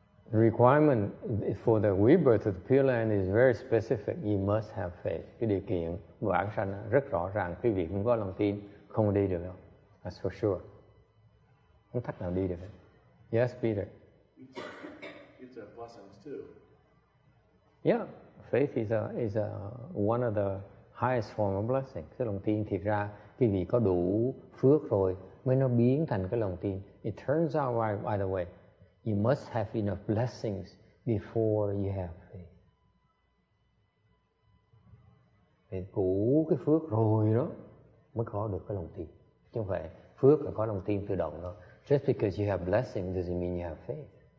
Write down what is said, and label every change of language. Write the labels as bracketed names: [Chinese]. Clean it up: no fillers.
[English] The requirement for the rebirth of the pure land is very specific. You must have faith. [Vietnamese] Cái điều kiện bản sanh rất rõ ràng. Quý vị không có lòng tin, không đi được đâu. [English] That's for sure. [Vietnamese] Không thắc nào đi được. [English] Yes, Peter. It's a blessing too. Yeah, faith is one of the highest form of blessing. [Vietnamese] Cái lòng tin thiệt ra quý vị có đủ phước rồi mới nó biến thành cái lòng tin. [English] It turns out right, by the way, you must have enough blessings before you have faith. [Vietnamese] Phải đủ cái phước rồi đó mới có được cái lòng tin. Chứ không phải phước là có lòng tin tự động đó. [English] Just because you have blessing doesn't mean you have faith.